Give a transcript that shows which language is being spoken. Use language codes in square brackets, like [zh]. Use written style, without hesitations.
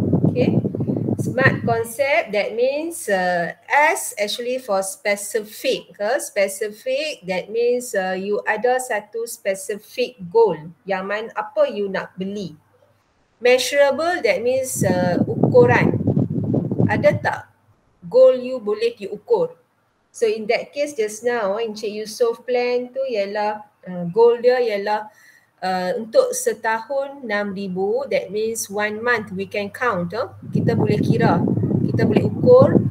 [en] Okay, SMART concept, that means S actually for specific. [ms] Specific, [en] that means you [ms] ada satu specific goal yang mana apa you nak beli. [en] Measurable, that means [ms] ukuran. Ada tak goal you boleh diukur? [en] So in that case just now, [ms] Encik Yusof plan tu ialah goal dia ialah untuk setahun 6,000. [en] That means 1 month we can count. [ms] Kita boleh kira, kita boleh ukur.